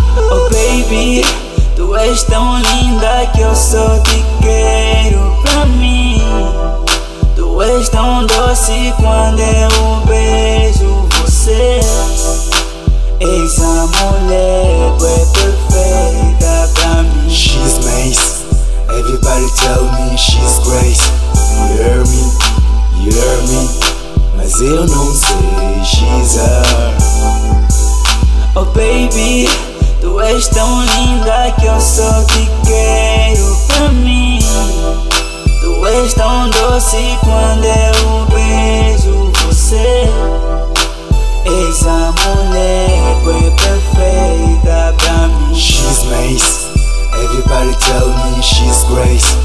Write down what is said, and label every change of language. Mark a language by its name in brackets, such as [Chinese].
[English] Oh baby, [Portuguese] tu és tão linda que eu só te quero pra mim. Tu és tão doce quando eu beijo você. És a mulher que é perfeita pra mim. [English] She's nice, everybody tell me she's great. You hear me, you hear me. [Portuguese] Mas eu não sei, [English] she's a... [Portuguese] Oh baby, tu és tão linda que eu só te quero pra mim. Tu és tão doce quando eu beijo você. És a mulher que é perfeita pra mim. [English] She's nice, everybody tell me she's great.